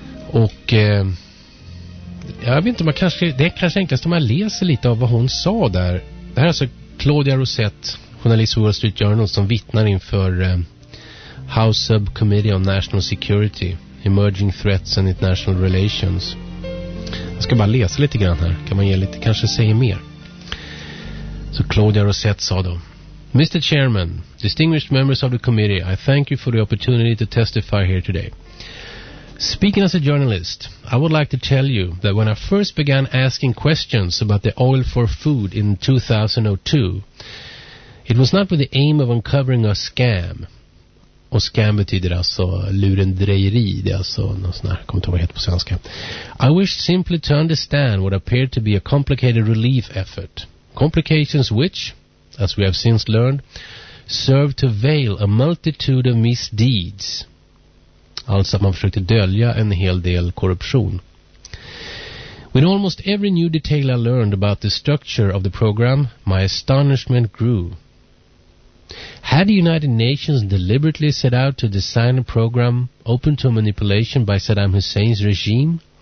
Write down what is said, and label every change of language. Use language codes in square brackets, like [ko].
[sv] Och jag vet inte, det är kanske enklast om man läser lite av vad hon sa där. Det här är alltså Claudia Rosette, journalist för Wall Street Journal, som vittnar inför House Subcommittee on National Security, Emerging Threats and International Relations. Jag ska bara läsa lite grann här. Kan man ge lite, kanske säga mer. Så Claudia Rosette sa då: Mr. [en] Chairman, distinguished members of the committee, I thank you for the opportunity to testify here today. Speaking as a journalist, I would like to tell you that when I first began asking questions about the Oil for Food in 2002, it was not with the aim of uncovering a scam. [sv] Och scam betyder alltså lurendrejeri, det är alltså någon sån här, jag kommer inte ihåg vad det heter på svenska. [en] I wished simply to understand what appeared to be a complicated relief effort. Complications which, as we have since learned, served to veil a multitude of misdeeds. [sv] Alltså att man försökte dölja en hel del korruption. [en] With almost every new detail I learned about the structure of the program, my astonishment grew. Had the United Nations deliberately set out to design a program open to manipulation by Saddam Hussein's regime?